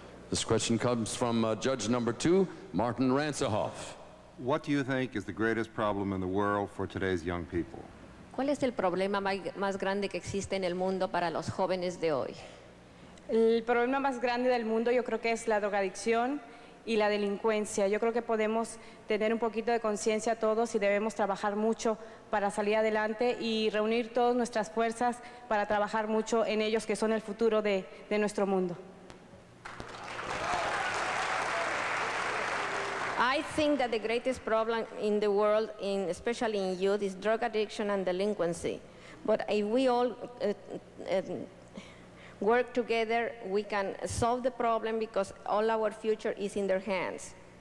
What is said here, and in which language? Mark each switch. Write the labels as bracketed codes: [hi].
[en] This question comes from judge number two, Martin Ransohoff. What do you think is the greatest problem in the world for today's young people? [es] ¿Cuál es el problema más grande que existe en el mundo para los jóvenes de hoy? El problema más grande del mundo yo creo que es la drogadicción y la delincuencia. Yo creo que podemos tener un poquito de conciencia todos y debemos trabajar mucho para salir adelante y reunir todas nuestras fuerzas para trabajar mucho en ellos que son el futuro de nuestro mundo. [en] I think that the greatest problem in the world, especially in youth, is drug addiction and delinquency. But if we all work together, we can solve the problem because all our future is in their hands.